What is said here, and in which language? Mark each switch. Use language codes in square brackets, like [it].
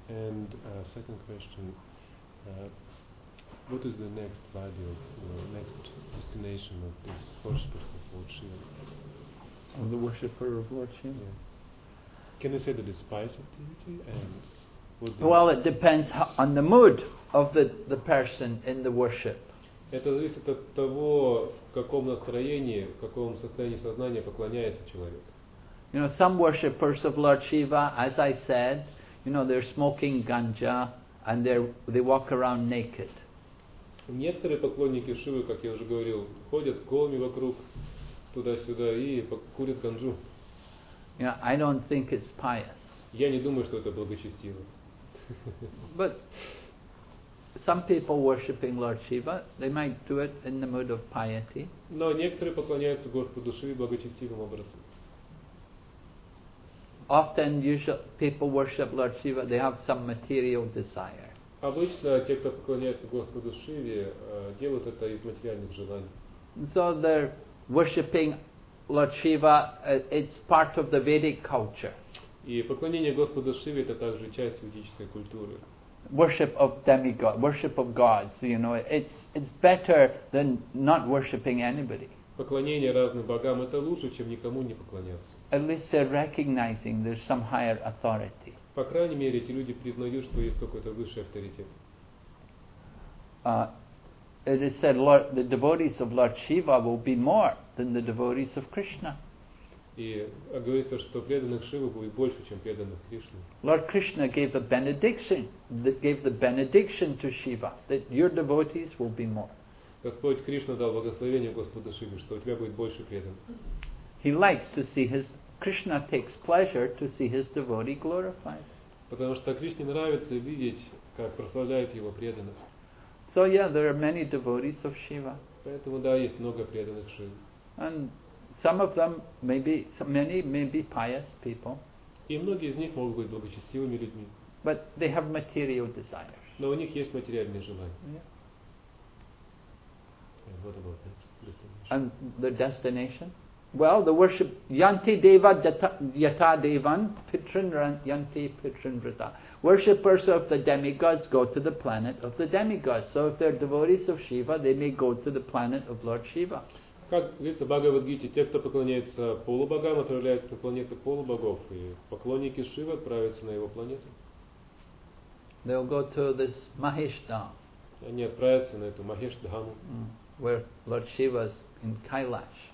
[en] And second question, what is the next body, of, you know, next destination of this worshipers of Lord Shiva? Of the worshipper of Lord Shiva? Yeah. Can we say that it's pious activity? And well, it depends on the mood of the person in the worship. [ru] Это зависит от того, в каком настроении, в каком состоянии сознания поклоняется человек. [en] You know, some worshippers of Lord Shiva, as I said, you know, they're smoking ganja and they walk around naked. [ru] Некоторые поклонники Шивы, как я уже говорил, ходят голыми вокруг туда-сюда и курят ганджу. [en] You know, I don't think it's pious. [ru] Я не думаю, что это благочестиво. [en] But some people worshipping Lord Shiva, they might do it in the mood of piety. [ru] Но некоторые поклоняются Господу Шиве благочестивым образом. [en] Often, usually people worship Lord Shiva, they have some material desire. [ru] Обычно те, кто поклоняется Господу Шиве, делают это из материальных желаний. [en] So they're worshipping Lord Shiva, it's part of the Vedic culture. [ru] И поклонение Господу Шиве это также часть ведической культуры. [en] Worship of demigods, worship of gods, you know, it's better than not worshipping anybody. [ru] Поклонение разным богам это лучше, чем никому не поклоняться. [en] At least they're recognizing there's some higher authority. [ru] По крайней мере, эти люди признают, что есть какой-то высший авторитет. [en] It is said Lord, the devotees of Lord Shiva will be more than the devotees of Krishna. [ru] И говорится, что преданных Шивы будет больше, чем преданных Кришны. [en] Lord Krishna gave the benediction to Shiva that your devotees will be more. [ru] Господь Кришна дал благословение Господу Шиве, что у тебя будет больше преданных. [en] He likes to see his Krishna takes pleasure to see his devotee glorified. [ru] Потому что Кришне нравится видеть, как прославляют его преданных. [en] So yeah, there are many devotees of Shiva. [ru] Поэтому да, есть много преданных Шивы. [en] And some of them many may be pious people. [ru] И многие из них могут быть благочестивыми людьми. [en] But they have material desires. [ru] Но у них есть материальные желания. [en] Yeah. And what about destination? And the destination? Well, the worship [sa] Yanti Deva Yata Devan Pitran Yanti Pitran Vrita. [en] Worshippers of the demigods go to the planet of the demigods. So if they're devotees of Shiva, they may go to the planet of Lord Shiva. [ru] Как говорится в Бхагавад-гите, те, кто поклоняется полубогам, отправляются на планету полубогов, и поклонники Шивы отправятся на его планету. [en] They'll go to this Mahishdham. [ru] Они отправятся на эту Махешдхаму. [en] Where Lord Shiva is in Kailash.